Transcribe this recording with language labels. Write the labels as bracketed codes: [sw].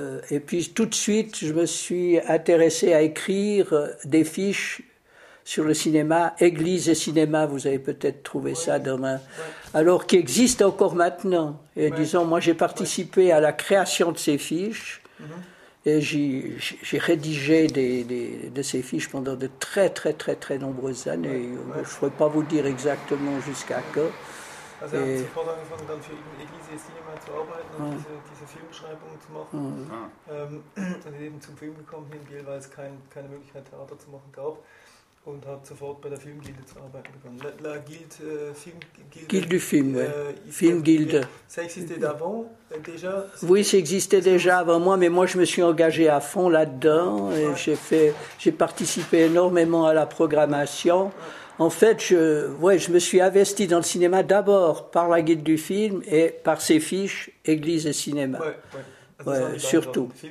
[fr] Et puis tout de suite, je me suis intéressé à écrire des fiches sur le cinéma, Église et cinéma, vous avez peut-être trouvé ça demain, alors qui existe encore maintenant. Et disons, moi j'ai participé à la création de ces fiches. Et j'ai rédigé de ces fiches pendant de très, très, très, très nombreuses années. Ouais, ouais. Je ne pourrais pas vous dire exactement jusqu'à ouais. quand. [de] Also, er hat sofort angefangen, dann für Elise Cinema zu arbeiten und diese Filmschreibung zu machen. Und ist eben zum Film gekommen hier in Biel, weil es keine Möglichkeit, Theater zu machen gab. Und hat sofort bei der Filmgilde zu arbeiten begonnen. [fr] La Gilde, Filmgilde. Gilde du Film, oui. Filmgilde. Ça existait d'avant, déjà. Oui, ça existait déjà avant moi, mais moi je me suis engagé à fond là-dedans. Ouais. Et j'ai participé énormément à la programmation. Ouais. En fait, je me suis investi dans le cinéma d'abord par la guide du film et par ses fiches Église et cinéma, surtout.